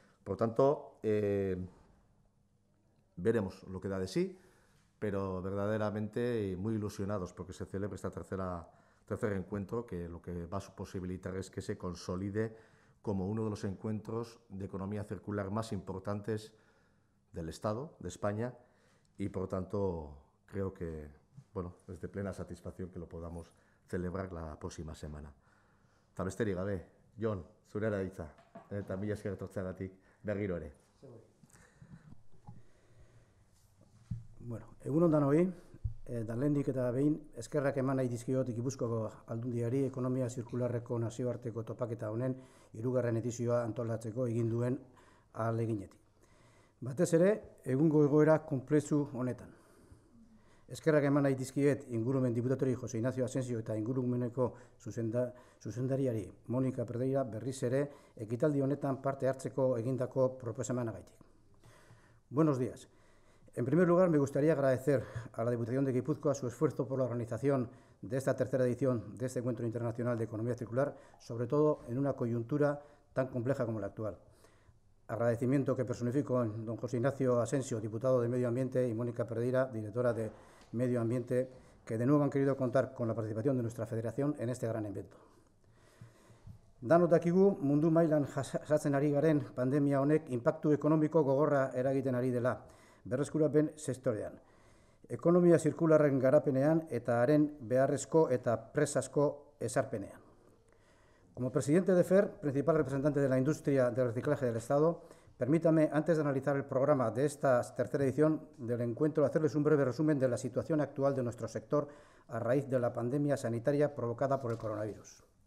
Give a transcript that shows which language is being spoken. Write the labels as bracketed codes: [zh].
[es] Por tanto, veremos lo que da de sí, pero verdaderamente muy ilusionados porque se celebre este tercer encuentro, que lo que va a posibilitar es que se consolide como uno de los encuentros de economía circular más importantes del Estado, de España, y por tanto creo que, bueno, es de plena satisfacción que lo podamos celebrar la próxima semana. [eu] Tabesteri gabe, Jon, zurea da hitza, eta mila esker etortzeagatik, berriro ere. Bueno, egunon danoi, lehendik eta behin eskerrak eman nahi dizkiot Gipuzkoako Aldundiari ekonomia zirkularreko nazioarteko topaketa honen 3. edizioa antolatzeko egin duen ahaleginetik. Batez ere, egungo egoera konplexu honetan. Eskerrak eman nahi dizkiet ingurumen diputatori Jose Ignacio Asensio eta ingurumeneko zuzendariari Monika Pereira berriz ere ekitaldi honetan parte hartzeko egindako proposamenagaitik. [es] Buenos días. En primer lugar, me gustaría agradecer a la Diputación de Guipúzcoa su esfuerzo por la organización de esta tercera edición de este Encuentro Internacional de Economía Circular, sobre todo en una coyuntura tan compleja como la actual. Agradecimiento que personifico en don José Ignacio Asensio, diputado de Medio Ambiente, y Mónica Pereira, directora de Medio Ambiente, que de nuevo han querido contar con la participación de nuestra federación en este gran evento. [eu] Danok dakigu mundu mailan jasaten ari garen pandemia honek inpaktu ekonomiko gogorra eragiten ari dela, berreskurapen sektorean. Ekonomia zirkularren garapenean eta haren beharrezko eta presazko ezarpenean. [es] Como presidente de FER, principal representante de la industria del reciclaje del Estado, permítame, antes de analizar el programa de esta tercera edición del encuentro, hacerles un breve resumen de la situación actual de nuestro sector a raíz de la pandemia sanitaria provocada por el coronavirus.